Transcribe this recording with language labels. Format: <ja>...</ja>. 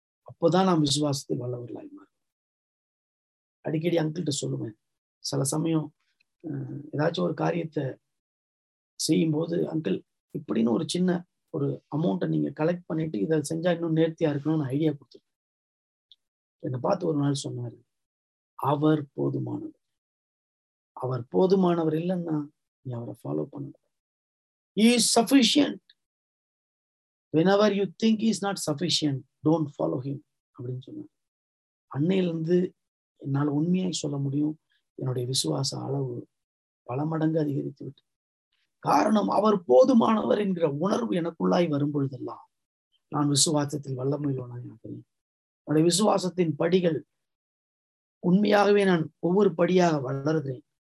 <ta>அப்போதான் நாம் விசுவாசத்தை வல்லவர்களாய் மாறும். அடிக்கடி அங்கிள்கிட்ட சொல்லுவேன், சில சமயம் ஏதாச்சும் ஒரு காரியத்தை செய்யும்போது, அங்கிள் இப்படின்னு ஒரு சின்ன ஒரு அமௌண்ட்டை நீங்கள் கலெக்ட் பண்ணிட்டு இதை செஞ்சால் இன்னும் நேர்த்தியாக இருக்கணும்னு ஐடியா கொடுத்துருக்கேன். என்னை பார்த்து ஒரு நாள் சொன்னார், அவர் போதுமானவர், அவர் போதுமானவர் இல்லைன்னா நீ அவரை ஃபாலோ பண்ணக்கூடாது.</ta> <en>He is sufficient. Whenever you think he is not sufficient, don't follow him.</en> <ta>அன்னையிலிருந்து என்னால் உண்மையாக சொல்ல முடியும், என்னுடைய விசுவாச அளவு பல மடங்கு அதிகரித்து விட்டேன். காரணம், அவர் போதுமானவர் என்கிற உணர்வு எனக்குள்ளாய் வரும் பொழுதெல்லாம் நான் விசுவாசத்தில் வல்லமையுள்ளவனாக நினைக்கிறேன். என்னுடைய விசுவாசத்தின் படிகள் உண்மையாகவே நான் ஒவ்வொரு படியாக வளர்கிறேன்.</ta>